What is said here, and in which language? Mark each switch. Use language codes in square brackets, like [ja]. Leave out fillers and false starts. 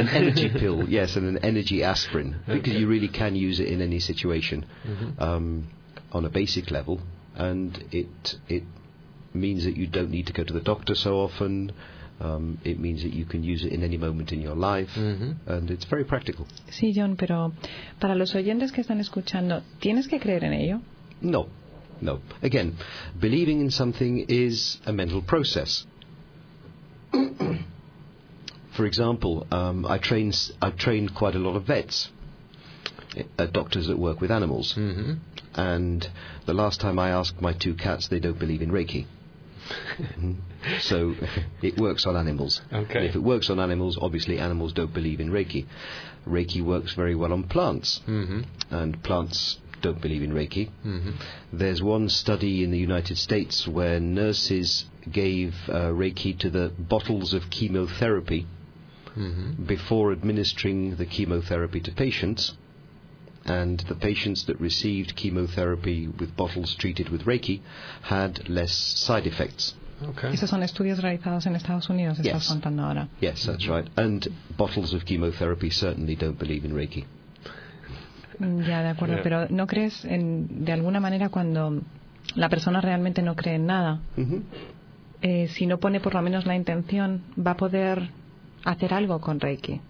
[en] An energy pill, yes, and an energy aspirin. Because okay. you really can use it in any situation mm-hmm. On a basic level. And it means that you don't need to go to the doctor so often. It means that you can use it in any moment in your life, mm-hmm. and it's very practical. [es] Sí, John, pero para los oyentes que están escuchando, ¿tienes que creer en ello? [en] No, no. Again, believing in something is a mental process. For example, I train quite a lot of vets, doctors that work with animals. Mm-hmm. And the last time I asked my two cats, they don't believe in Reiki. So it works on animals. Okay. And if it works on animals, obviously animals don't believe in Reiki. Reiki works very well on plants. Mm-hmm. And plants don't believe in Reiki. Mm-hmm. There's one study in the United States where nurses gave Reiki to the bottles of chemotherapy. Mm-hmm. Before administering the chemotherapy to patients, and the patients that received chemotherapy with bottles treated with Reiki had less side effects. Okay. [es] Esos son estudios realizados en Estados Unidos, [en] yes. [es] Estás contando ahora. [en] Yes, that's right. And bottles of chemotherapy certainly don't believe in Reiki. [es] Ya, de acuerdo. Yeah. Pero ¿no crees en, de alguna manera, cuando la persona realmente no cree en nada, mm-hmm. Si no pone por lo menos la intención, va a poder hacer algo con Reiki?